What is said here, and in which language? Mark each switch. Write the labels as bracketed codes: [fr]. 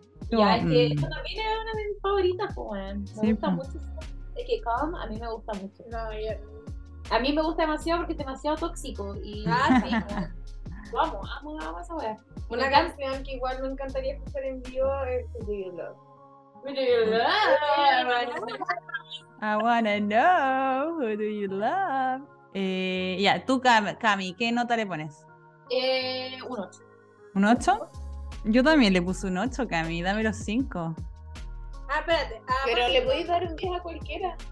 [es] Ya, que esta también es una de mis favoritas, Juan. Me gusta mucho. Es que Calm a mí me gusta mucho. No, a mí me gusta demasiado porque es demasiado tóxico. Y ah, sí. Vamos a ver. Una canción que igual me encantaría escuchar en vivo es Do You Love. [en] Do You Love? I wanna know who do you love. [es] Ya, tú, Cami, ¿qué nota le pones? Un 8. ¿Un 8? Yo también le puse un 8, Cami, dame los 5. Ah, espérate. Pero le podéis dar un 10 a cualquiera.